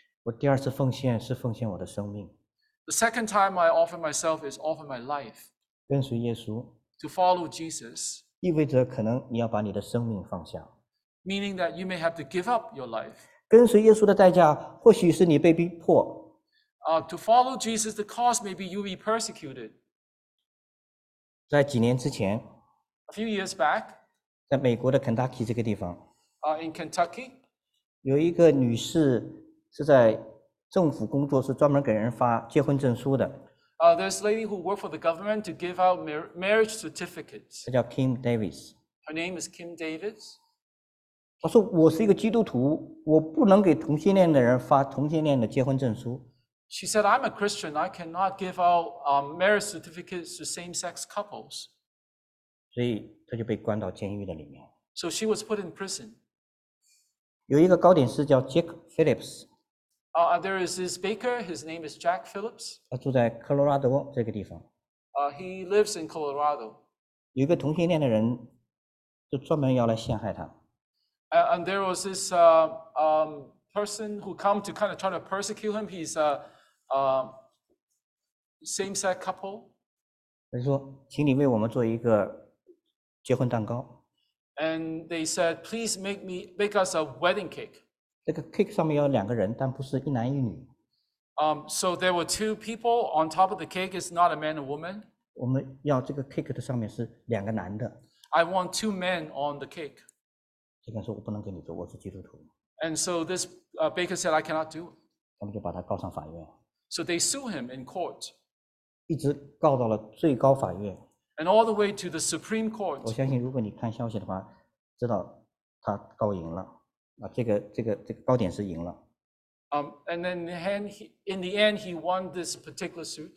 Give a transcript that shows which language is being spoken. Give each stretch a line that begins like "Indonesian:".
Chinese: 我第二次奉献是奉献我的生命。
English: The second time I offered myself is offer my life.
Chinese: 跟随耶稣。
English: To follow Jesus.
Chinese: 意味着可能你要把你的生命放下。
English: Meaning that you may have to give up your life.
Chinese: 跟随耶稣的代价或许是你被逼迫。
English: To follow Jesus, the cost may be you be persecuted.
Chinese: 在几年之前。
English: A few years back.
Chinese: 在美国的肯塔基这个地方。
English: In Kentucky,
Chinese: 有一个女士是在政府工作，是专门给人发结婚证书的。
English: There's a lady who worked for the government to give out marriage certificates.
Chinese: 她叫 Kim Davis.
English: Her name is Kim Davis.
Chinese: 她说：“我是一个基督徒，我不能给同性恋的人发同性恋的结婚证书。”
English: She said, "I'm a Christian. I cannot give out marriage certificates to same-sex couples."
Chinese: 所以她就被关到监狱的里面。
English: So she was put in prison.
Chinese: 有一个糕点师叫 Jack Phillips.
English: There is this baker. His name is Jack Phillips.
Chinese: 他住在科罗拉多这个地方。
English: He lives in Colorado.
Chinese: 有一个同性恋的人，就专门要来陷害他。
English: And there was this person who come to kind of try to persecute him. He's a same-sex couple.
Chinese: 他说：“请你为我们做一个结婚蛋糕。”
English: And they said, "Please make us a wedding cake."
Chinese: 这个 cake 上面有两个人，但不是一男一女。
English: So there were two people on top of the cake. It's not a man and woman.
Chinese: 我们要这个 cake 的上面是两个男的。
English: I want two men on the cake.
Chinese: 这个人说我不能给你做，我是基督徒。
English: And so this baker said, "I cannot do it."
Chinese: 他们就把他告上法院。
English: So they sue him in court.
Chinese: 一直告到了最高法院。
English: And all the way to the Supreme Court.
Chinese: 我相信，如果你看消息的话，知道他告赢了，这个高点是赢了。
English: And then in the end, he won this particular suit.